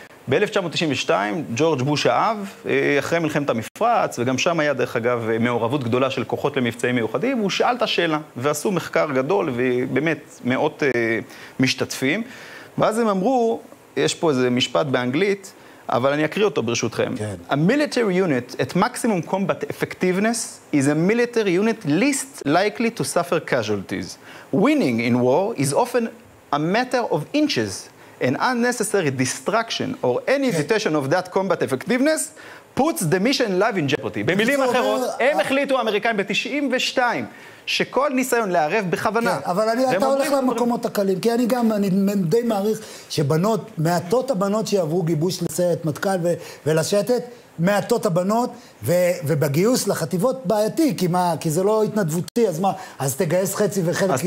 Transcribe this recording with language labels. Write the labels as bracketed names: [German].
[Hebrew] ב-1992, ג'ורג' בוש האב, אחרי מלחמת המפרץ, וגם שם היה דרך אגב מעורבות גדולה של כוחות למבצעים מיוחדים, הוא שאל את השאלה, ועשו מחקר גדול, ובאמת מאות משתתפים, ואז הם אמרו, יש פה איזה משפט באנגלית, אבל אני אקריא אותו ברשותכם. כן. [English] A military unit at maximum combat effectiveness is a military unit least likely to suffer casualties. Winning in war is often a matter of inches, an unnecessary destruction or any hesitation of that combat effectiveness puts the mission live in jeopardy. [Hebrew] במילים אחרות, הם החליטו האמריקאים ב-92 שכל ניסיון לערב בכוונה. כן, אבל אני, אתה הולך למקומות הקלים, כי אני גם, אני די מעריך שבנות, מעטות הבנות שיעברו גיבוש לסיירת מטכ"ל ולשייטת, מעטות הבנות, ובגיוס לחטיבות בעייתי, כי מה, כי זה לא התנדבותי, אז מה, אז תגייס חצי וחלק.